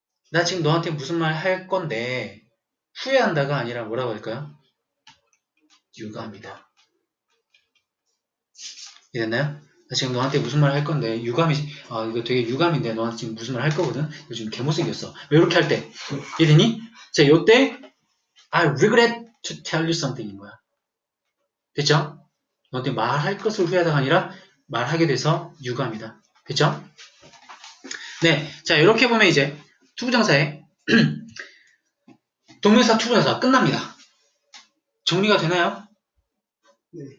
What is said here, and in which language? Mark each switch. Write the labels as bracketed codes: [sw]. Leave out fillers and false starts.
[ko] 나 지금 너한테 무슨 말 할 건데, 후회한다가 아니라 뭐라고 할까요? 유감이다. 이랬나요? 나 지금 너한테 무슨 말 할 건데, 유감이, 아, 이거 되게 유감인데, 너한테 지금 무슨 말 할 거거든? 요즘 개못생겼어. 왜 이렇게 할 때? 이랬니? [en] 자, [ko] 요 때, [en] I regret to tell you something인 거야. [ko] 됐죠? 너한테 말할 것을 후회하다가 아니라, 말하게 돼서 유감이다. 됐죠? 네. 자, 이렇게 보면 이제, 투부정사에, 동명사 투부사 끝납니다. 정리가 되나요? 네.